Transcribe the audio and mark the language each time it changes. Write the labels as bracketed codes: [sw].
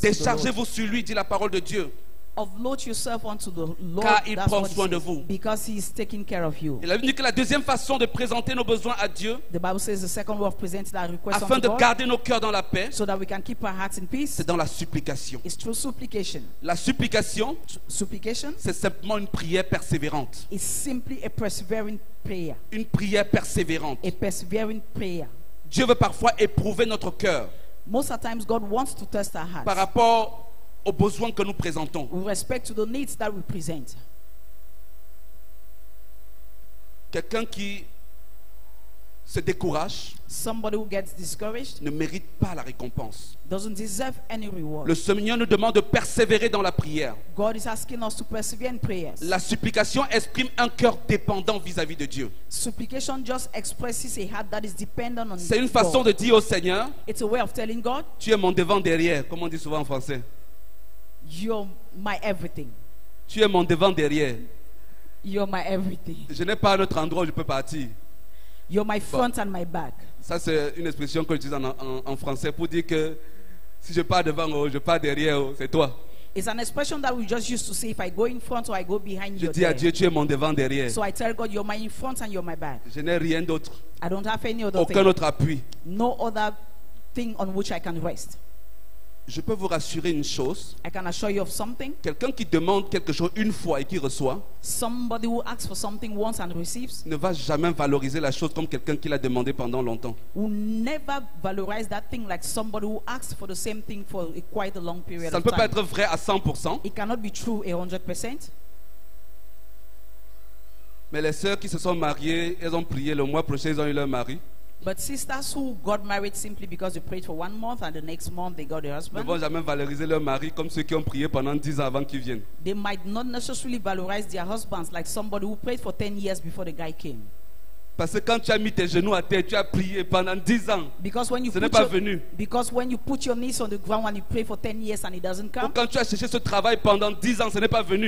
[fr] Déchargez-vous sur lui, dit la parole de Dieu. [en] Offload yourself unto the Lord. [fr] Car il prend soin de vous. [en] Because he is taking care of you. [fr] Il a dit que la deuxième façon de présenter nos besoins à Dieu. [en] The Bible says the second way of presenting our requests [fr] afin [en] unto [fr] de garder nos cœurs dans la paix. [en] So that we can keep our hearts in peace. [fr] C'est dans la supplication. [en] It's through supplication. [fr] La supplication. [en] Supplication. [fr] C'est simplement une prière persévérante. [en] It's simply a persevering prayer. [fr] Une prière persévérante. [en] A persevering prayer. [fr] Dieu veut parfois éprouver notre cœur. [en] Most of times God wants to test our hearts. [fr] Par rapport aux besoins que nous présentons. [en] With respect to the needs that we present. [fr] Quelqu'un qui se décourage. [en] Somebody who gets discouraged. [fr] Ne mérite pas la récompense. [en] Doesn't deserve any reward. [fr] Le Seigneur nous demande de persévérer dans la prière. [en] God is asking us to persevere in prayers. [fr] La supplication exprime un cœur dépendant vis-à-vis de Dieu. [en] Supplication just expresses a heart that is dependent on. [fr] C'est une façon [en] God. [fr] De dire au Seigneur. [en] It's a way of telling God. [fr] Tu es mon devant derrière, comme on dit souvent en français. [en] You're my everything. [fr] Tu es mon devant derrière. [en] You're my everything. [fr] Je n'ai pas un autre endroit où je peux partir. [en] You're my front and my back. [fr] Ça c'est une expression que j'utilise en français pour dire que si je pars devant ou je pars derrière, c'est toi. [en] It's an expression that we just used to say if I go in front or I go behind you. [fr] Je dis à Dieu, tu es mon devant derrière. [en] So I tell God, you're my in front and you're my back. [fr] Je n'ai rien d'autre. [en] I don't have any other. [fr] Aucun autre appui. [en] No other thing on which I can rest. [fr] Je peux vous rassurer une chose. [en] I can assure you of something. [fr] Quelqu'un qui demande quelque chose une fois et qui reçoit. [en] Somebody who asks for something once and receives. [fr] Ne va jamais valoriser la chose comme quelqu'un qui l'a demandé pendant longtemps. [en] Will never valorize that thing like somebody who asks for the same thing for quite a long period of time. [fr] Ça ne peut pas être vrai à 100%. [en] It cannot be true 100%. [fr] Mais les sœurs qui se sont mariées, elles ont prié le mois prochain, elles ont eu leur mari. [en] But sisters who got married simply because they prayed for 1 month and the next month they got their husband. [fr] Ne vont jamais valoriser leur mari comme ceux qui ont prié pendant 10 ans avant qu'ils viennent. [en] They might not necessarily valorize their husbands like somebody who prayed for 10 years before the guy came. [fr] Parce que quand tu as mis tes genoux à terre, tu as prié pendant 10 ans. [en] Because when you [fr] ce [en] put [fr] n'est [en] your, [fr] pas venu. [en] Because when you put your knees on the ground and you pray for 10 years and it doesn't come. [fr] Ou quand tu as cherché ce travail pendant 10 ans, ce n'est pas venu.